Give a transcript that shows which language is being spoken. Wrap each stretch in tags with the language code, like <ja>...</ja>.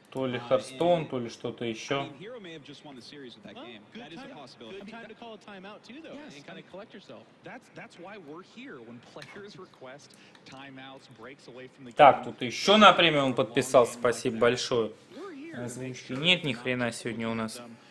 <ru>То ли Хардстоун, то ли что-то еще.</ru> <en>Hero may have just won the series with that game. That is a possibility. Good time to call a timeout too, though, yes, and kind of collect yourself. That's why we're here. When players request timeouts, breaks away from the game.</en> <ru>Так, тут еще на премиум подписался, спасибо большое. Озвучки нет, ни хрена сегодня у нас.</ru>